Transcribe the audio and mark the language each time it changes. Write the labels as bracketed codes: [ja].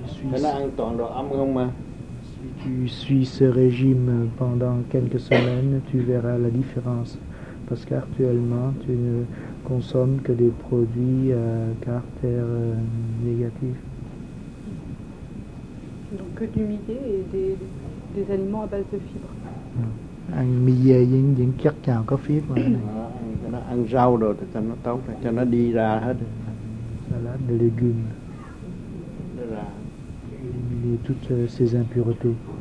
[vi] Thế là ăn toàn đồ ấm không mà. [fr] Si tu suis ce régime pendant quelques semaines, tu verras la différence. Parce qu'actuellement, tu ne consommes que des produits à caractère négatif. Donc que du millet et des aliments à base de fibres. [vi] Ăn millet với những chất nào có fibre. Ăn rau rồi thì cho nó tốt, cho nó đi ra hết. [fr] Salade de légumes. Éliminer toutes ces impuretés.